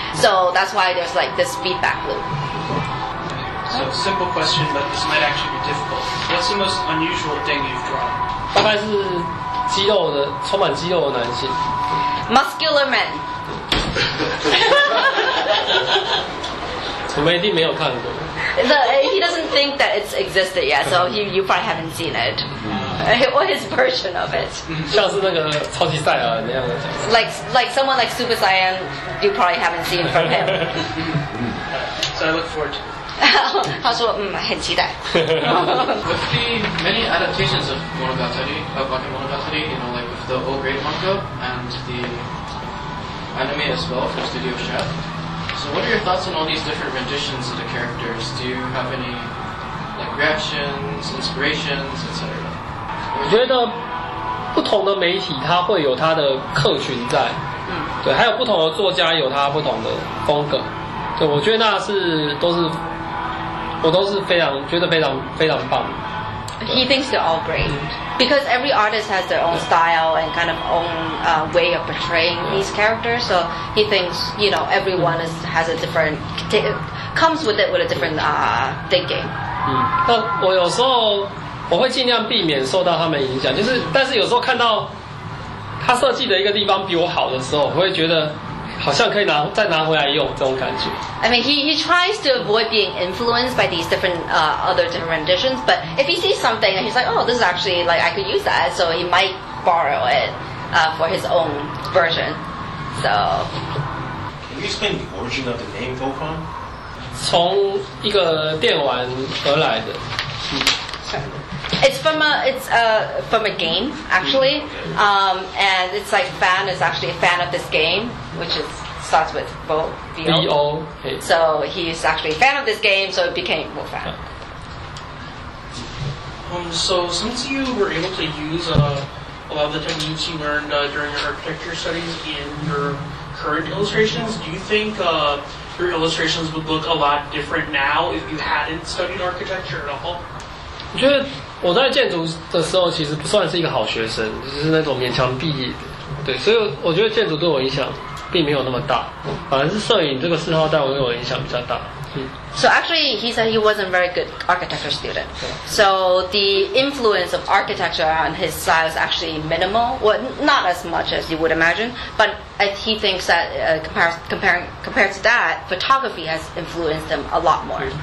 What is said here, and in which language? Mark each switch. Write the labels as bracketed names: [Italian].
[English] So that's why there's like this feedback loop. So, simple question, but this might actually be difficult. What's the most unusual thing you've drawn? [Chinese] 大概是肌肉的，充满肌肉的男性。 [English] Muscular man. [Chinese] 我们一定没有看过。 [English] He doesn't think that it's existed yet, so you probably haven't seen it. What his version of it? [Chinese] 像是那个超级赛亚人那样的。 [English] Like someone like Super Saiyan, you probably haven't seen from him. So I look forward to it. [Chinese] 他说很期待。 [English] With the many adaptations of Bakemonogatari, you know, like with the old great manga and the anime as well from Studio Chef, so what are your thoughts on all these different renditions of the characters? Do you have any like reactions, inspirations, etc.? [Chinese] 我觉得不同的媒体它会有它的客群在，对，还有不同的作家有他不同的风格，对，我觉得那是都是。我都是非常觉得非常非常棒。 [English] He thinks they're all great because every artist has their own style and kind of own way of portraying these characters. So he thinks, you know, everyone has a different comes with it with a different thinking. [Chinese] 那我有时候我会尽量避免受到他们影响，就是但是有时候看到他设计的一个地方比我好的时候，我会觉得。好像可以再拿回来用这种感觉。 [English] I mean, he tries to avoid being influenced by these different other different renditions. But if he sees something and he's like, oh, this is actually like I could use that, so he might borrow it for his own version. So, can you explain the origin of the name Gokan? [Chinese] 从一个电玩而来的。 [English] It's from a game actually, and it's like fan is actually a fan of this game, which is starts with Bo. B-O. So he's actually a fan of this game, so it became Bo fan. So since you were able to use a lot of the techniques you learned during your architecture studies in your current illustrations, do you think your illustrations would look a lot different now if you hadn't studied architecture at all? Good. [Chinese] 我在建筑的时候其实不算是一个好学生，就是那种勉强毕业的，对，所以我觉得建筑对我影响并没有那么大，反而是摄影这个嗜好带我对我影响比较大。 [English] So actually, he said he wasn't a very good architecture student. So the influence of architecture on his style is actually minimal. Well, not as much as you would imagine. But he thinks that compared to that, photography has influenced him a lot more.